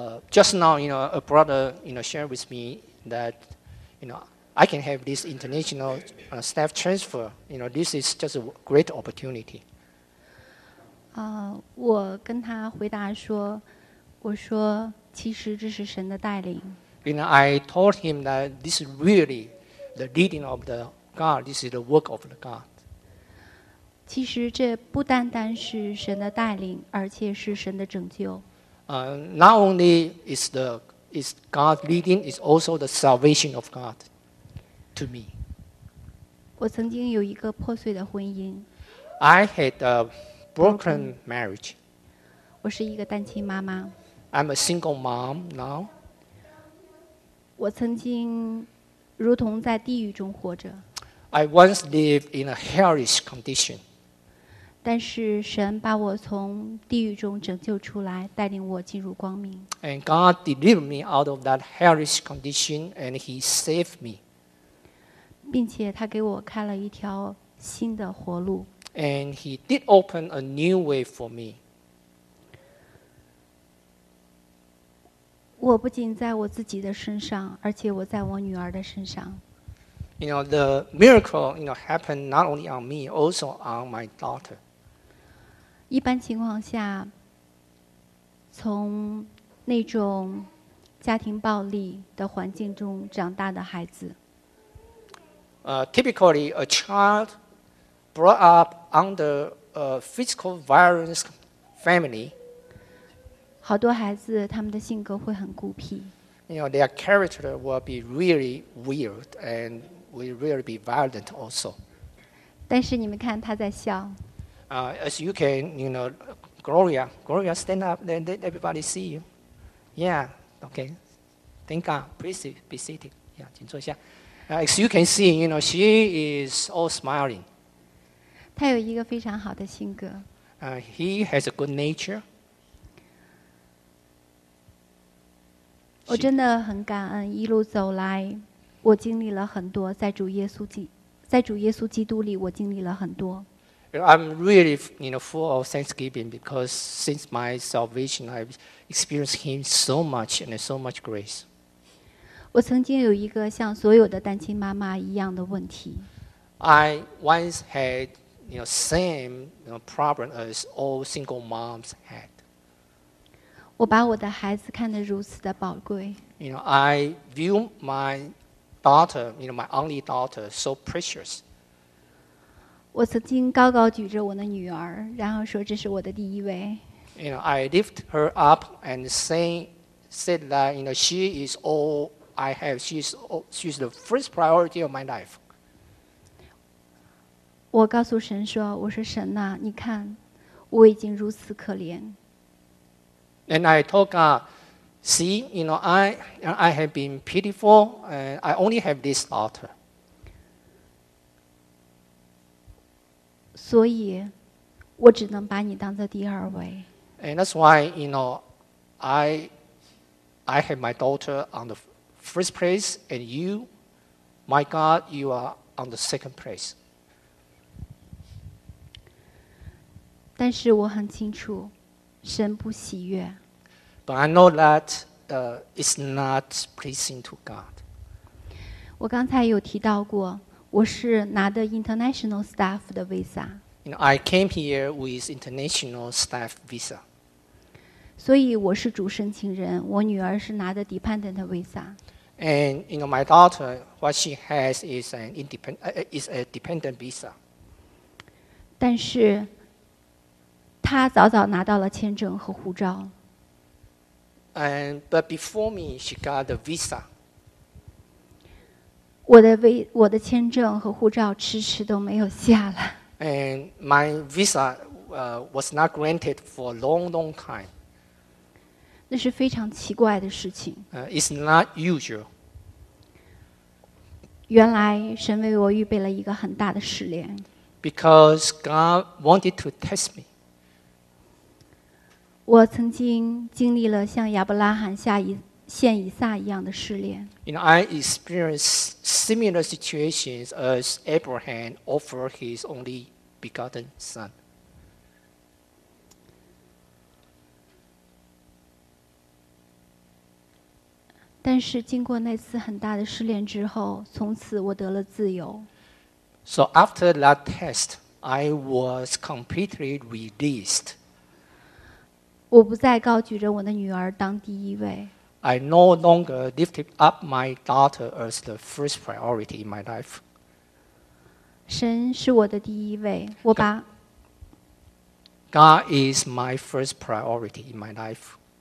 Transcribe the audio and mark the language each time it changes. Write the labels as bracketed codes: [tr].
[en] Just now, you know, a brother, you know, shared with me that, you know, I can have this international staff transfer. You know, this is just a great opportunity. [zh] 我跟他回答说，我说其实这是神的带领。 [en] You know, I told him that this is really the leading of the God. This is the work of the God. [zh] 其实这不单单是神的带领，而且是神的拯救。 [en] Not only is God leading, it's also the salvation of God to me. [zh] 我曾经有一个破碎的婚姻。 [en] I had a broken marriage. [zh] 我是一个单亲妈妈。 [en] I'm a single mom now. [zh] 我曾经如同在地狱中活着。 [en] I once lived in a hellish condition. [zh] 但是神把我从地狱中拯救出来，带领我进入光明。 [en] And God delivered me out of that hellish condition, and He saved me. [zh] 并且他给我开了一条新的活路。 [en] And He did open a new way for me. [zh] 我不仅在我自己的身上，而且我在我女儿的身上。 [en] You know, the miracle, you know, happened not only on me, also on my daughter. [zh] 一般情况下，从那种家庭暴力的环境中长大的孩子。 [en] Typically, a child brought up under a physical violence family. [zh] 好多孩子，他们的性格会很孤僻。 [en] You know, their character will be really weird and will really be violent also. [zh] 但是你们看他在笑。 [en] As you can, you know, Gloria, stand up, and let everybody see you. Yeah, okay. Thank God. Please be seated. Yeah, [zh] 请坐一下。 [en] As you can see, you know, she is all smiling. [zh] 他有一个非常好的性格。 [en] He has a good nature. [zh] 我真的很感恩，一路走来，我经历了很多，在主耶稣基督里，我经历了很多。 [en] I'm really, you know, full of thanksgiving because since my salvation, I've experienced Him so much and so much grace. [zh] 我曾经有一个像所有的单亲妈妈一样的问题。 [en] I once had, you know, same, you know, problem as all single moms had. [zh] 我把我的孩子看得如此的宝贵。 [en] You know, I view my daughter, you know, my only daughter, so precious. [zh] 我曾经高高举着我的女儿，然后说这是我的第一位。 [en] You know, I lift her up and said that, you know, she is all I have. She's the first priority of my life. [zh] 我告诉神说，我说神呐，你看，我已经如此可怜。 [en] And I told God, see, you know, I have been pitiful, and I only have this daughter. [zh] 所以，我只能把你当做第二位。 [en] And that's why, you know, I have my daughter on the first place, and you, my God, you are on the second place. [zh] 但是我很清楚，神不喜悦。 [en] But I know that it's not pleasing to God. [zh] 我刚才有提到过，我是拿的 [en] international staff [zh] 的 visa。 [en] You know, I came here with international staff visa. [zh] 所以我是主申请人，我女儿是拿的 [en] dependent visa. And you know, my daughter, what she has is an independent, is a dependent visa. [zh] 但是，她早早拿到了签证和护照。 [en] And but before me, she got the visa. [zh] 我的签证和护照迟迟都没有下来。 [en] And my visa was not granted for a long, long time. [zh] 那是非常奇怪的事情。 [en] It's not usual. [zh] 原来神为我预备了一个很大的试炼。 [en] Because God wanted to test me. [zh] 我曾经经历了像亚伯拉罕献以撒一样的试炼。 [en] You know, I experienced similar situations as Abraham offered his only begotten son. [zh] 但是经过那次很大的试炼之后，从此我得了自由。 [en] So after that test, I was completely released. [zh] 我不再高举着我的女儿当第一位。 [en] I no longer lifted up my daughter as the first priority in my life. [zh] 神是我的第一位，我把。 [en] God is my first priority in my life.